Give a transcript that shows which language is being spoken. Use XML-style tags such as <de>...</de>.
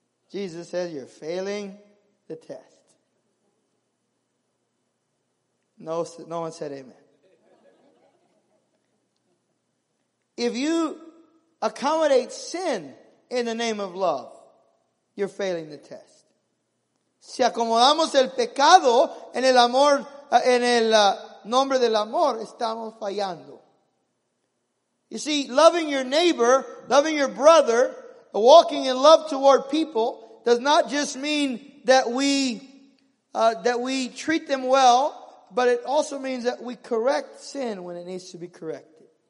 <en>Jesus says, you're failing the test. No one said amen. If you accommodate sin in the name of love, you're failing the test.</en> <es>Si acomodamos el pecado en el amor, en el nombre del amor, estamos fallando.</es> <en>You see, loving your neighbor, loving your brother, walking in love toward people does not just mean that we treat them well, but it also means that we correct sin when it needs to be corrected.</en>